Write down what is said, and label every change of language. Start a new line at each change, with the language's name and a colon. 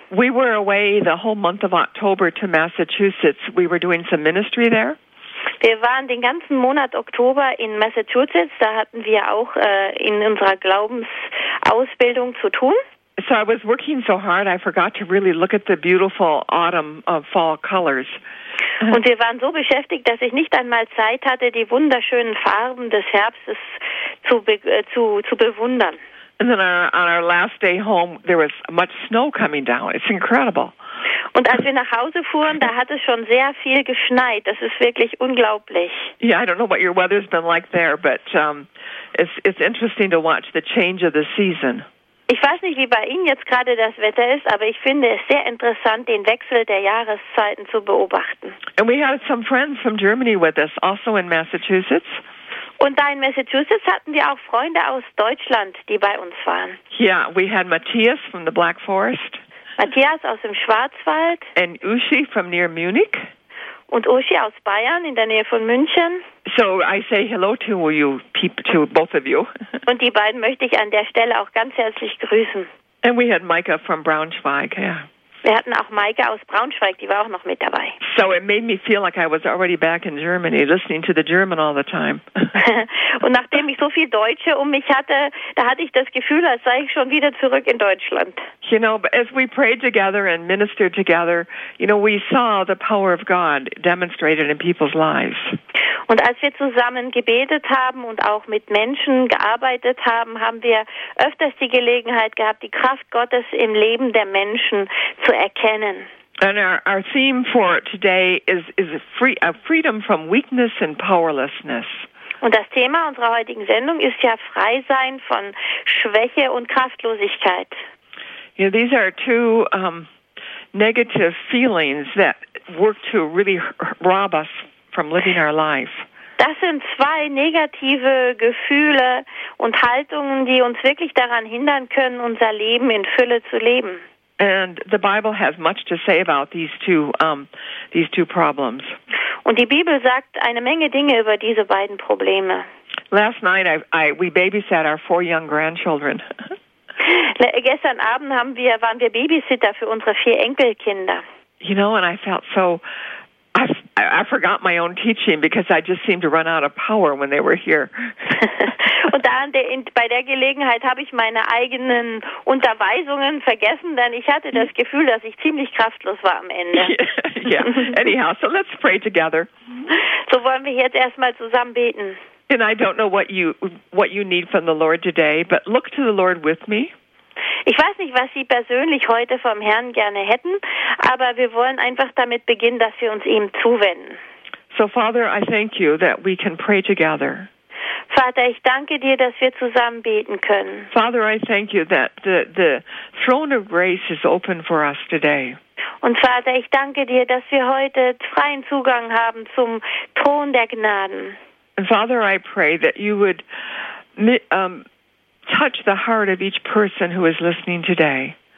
English: We were away the whole month of October to Massachusetts. We were doing some ministry there.
German: Wir waren den ganzen Monat Oktober in Massachusetts. Da hatten wir auch in unserer Glaubensausbildung zu tun.
English: So I was working so hard, I forgot to really look at the beautiful autumn fall colors.
German: Und wir waren so beschäftigt, dass ich nicht einmal Zeit hatte, die wunderschönen Farben des Herbstes zu bewundern.
English: And then on our last day home, there was much snow coming down. It's incredible.
German: Und als wir nach Hause fuhren, da hat es schon sehr viel geschneit. Das ist wirklich unglaublich.
English: Yeah, I don't know what your weather's been like there, but it's interesting to watch the change of the season.
German: Ich weiß nicht, wie bei Ihnen jetzt gerade das Wetter ist, aber ich finde es sehr interessant, den Wechsel der Jahreszeiten zu beobachten.
English: And we had some friends from Germany with us, also in Massachusetts.
German: Und da in Massachusetts hatten wir auch Freunde aus Deutschland, die bei uns waren.
English: Yeah, we had Matthias from the Black Forest.
German: Matthias aus dem Schwarzwald.
English: And Uschi from near Munich.
German: Und Uschi aus Bayern in der Nähe von München.
English: So I say hello to you, to both of you.
German: Und die beiden möchte ich an der Stelle auch ganz herzlich grüßen.
English: And we had Maike from Braunschweig, yeah.
German: Wir hatten auch Maike aus Braunschweig, die war auch noch mit dabei.
English: So it made me feel like I was already back in Germany, listening to the German all the time.
German: Und nachdem ich so viel Deutsche um mich hatte, da hatte ich das Gefühl, als sei ich schon wieder zurück in Deutschland.
English: You know, as we prayed together and ministered together, you know, we saw the power of God demonstrated in people's lives.
German: Und als wir zusammen gebetet haben und auch mit Menschen gearbeitet haben, haben wir öfters die Gelegenheit gehabt, die Kraft Gottes im Leben der Menschen zu erkennen.
English: And our theme for today is a freedom from weakness and powerlessness.
German: Und das Thema unserer heutigen Sendung ist ja frei sein von Schwäche und Kraftlosigkeit.
English: You know, these are two negative feelings that work to really rob us from living our life.
German: Das sind zwei negative Gefühle und Haltungen, die uns wirklich daran hindern können, unser Leben in Fülle zu leben.
English: And the Bible has much to say about these two problems.
German: Und die Bibel sagt eine Menge Dinge über diese beiden Probleme.
English: Last night we babysat our four young grandchildren.
German: Gestern Abend waren wir Babysitter für unsere vier Enkelkinder.
English: You know, and I felt so I forgot my own teaching because I just seemed to run out of power when they were here.
German: Und bei der Gelegenheit habe ich meine eigenen Unterweisungen vergessen, denn ich hatte das Gefühl, dass ich ziemlich kraftlos war am Ende.
English: Yeah. Anyhow, so let's pray together.
German: So wollen wir jetzt erstmal zusammen beten.
English: And I don't know what you need from the Lord today, but look to the Lord with me.
German: Ich weiß nicht, was Sie persönlich heute vom Herrn gerne hätten, aber wir wollen einfach damit beginnen, dass wir uns ihm zuwenden.
English: So, Father, I thank you that we can pray together.
German: Vater, ich danke dir, dass wir zusammen beten können.
English: Father, I thank you that the throne of grace is open for us today.
German: Und Vater, ich danke dir, dass wir heute freien Zugang haben zum Thron der Gnaden.
English: And Father, I pray that you would touch the heart of each person who is listening today.